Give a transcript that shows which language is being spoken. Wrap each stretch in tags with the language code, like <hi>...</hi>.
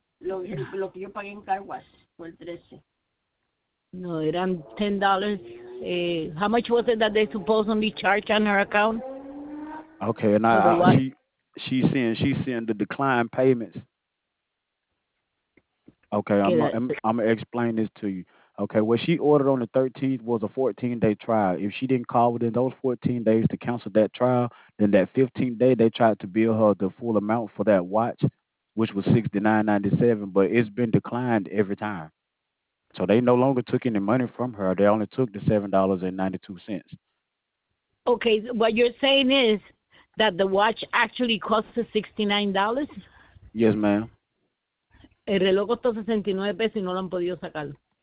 <es>Lo que yo pagué en car wash fue el 13. No, eran $10.</es> <en>How much was it that they supposedly charged on her account? Okay, and she's seeing the decline payments. Okay, I'm gonna explain this to you. Okay, what she ordered on the 13th was a 14-day trial. If she didn't call within those 14 days to cancel that trial, then that 15th day, they tried to bill her the full amount for that watch, which was $69.97, but it's been declined every time. So they no longer took any money from her. They only took the $7.92. Okay, what you're saying is that the watch actually costs $69? Yes, ma'am.</en> <es>El reloj costó 69 pesos y no lo han podido sacar.</es>